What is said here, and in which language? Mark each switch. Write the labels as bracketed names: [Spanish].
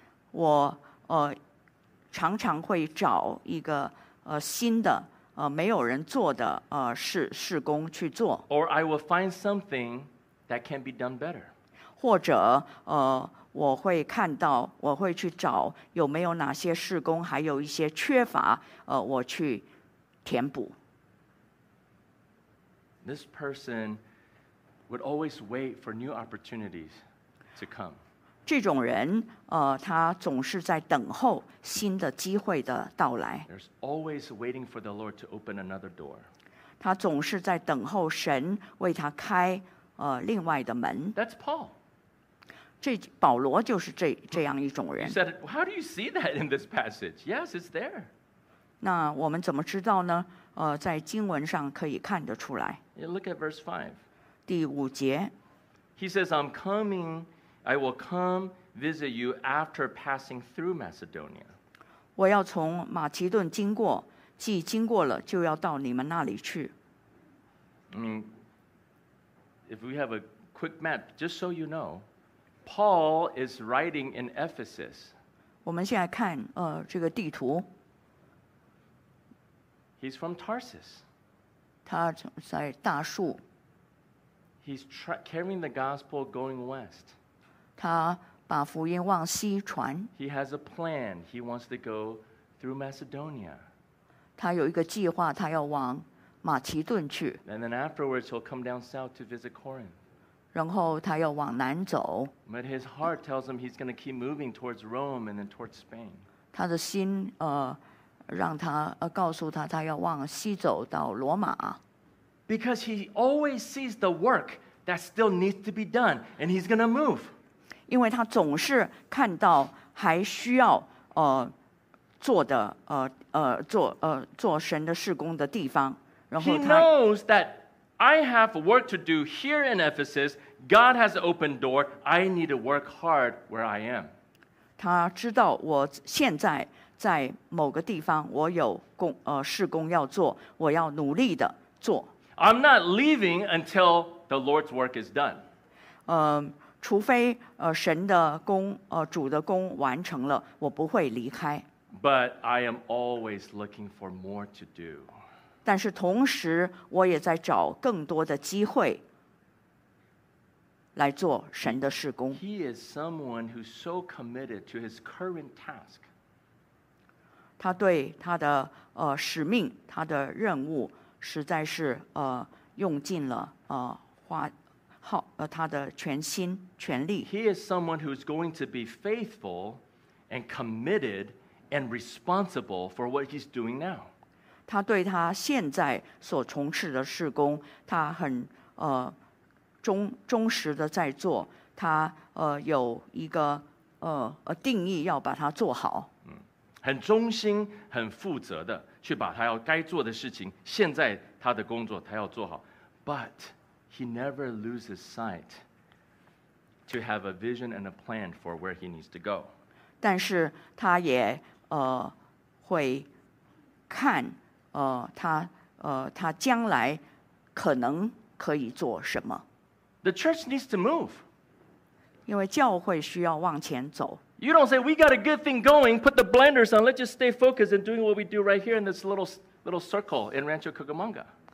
[Chinese] 我常常会找一个新的没有人做的事工去做 [English] or I will find something that can be done better [Chinese] 或者我会看到我会去找有没有哪些事工还有一些缺乏我去填补 [English] This person would always wait for new opportunities to come [Chinese] 这种人他总是在等候新的机会的到来。 [English] There's always waiting for the Lord to open another door. [Chinese] 他总是在等候神为他开另外的门。 [English] That's Paul. [Chinese] 保罗就是这样一种人。 [English] You said, how do you see that in this passage? Yes, it's there. [Chinese] 那我们怎么知道呢？在经文上可以看得出来。 [English] Look at verse 5. [Chinese] 第五节。 [English] He says, I'm coming, I will come,visit you after passing through Macedonia. [Chinese] 我要从马其顿经过，既经过了，就要到你们那里去。 [English] I mean, if we have a quick map, just so you know, Paul is writing in Ephesus. [Chinese] 我们现在看这个地图。 [English] He's from Tarsus. [Chinese] 他在大树。 [English] He's carrying the gospel going west. [Chinese] 他把福音往西传。 [English] He has a plan. He wants to go through Macedonia. [Chinese] 他有一个计划，他要往马其顿去。 [English] And then afterwards, he'll come down south to visit Corinth. [Chinese] 然后他要往南走。 [English] But his heart tells him he's going to keep moving towards Rome and then towards Spain. [Chinese] 他的心让他告诉他他要往西走到罗马。 [English] Because he always sees the work that still needs to be done, and he's going to move. [Chinese] 因为他总是看到还需要做的做做神的事工的地方。 [English] He knows that I have work to do here in Ephesus. God has an open door. I need to work hard where I am. [Chinese] 他知道我现在在某个地方，我有工事工要做，我要努力的做。 [English] I'm not leaving until the Lord's work is done. [Chinese] 除非神的工主的工完成了，我不会离开。 [English] But I am always looking for more to do. [Chinese] 但是同时，我也在找更多的机会来做神的事工。 [English] He is someone who's so committed to his current task. [Chinese] 他对他的使命，他的任务，实在是用尽了他的全心全力。 [English] He is someone who's going to be faithful and committed. And responsible for what he's doing now. [Chinese] 他对他现在所从事的事工，他很忠实的在做。他有一个定义要把它做好。很忠心、很负责的去把他要该做的事情，现在他的工作他要做好。 [English] But he never loses sight to have a vision and a plan for where he needs to go. [Chinese] 但是他也会看他将来可能可以做什么。 [English] The church needs to move. [Chinese] 因为教会需要往前走。 [English] You don't say, we got a good thing going, put the blinders on, let's just stay focused and doing what we do right here in this little circle in Rancho Cucamonga.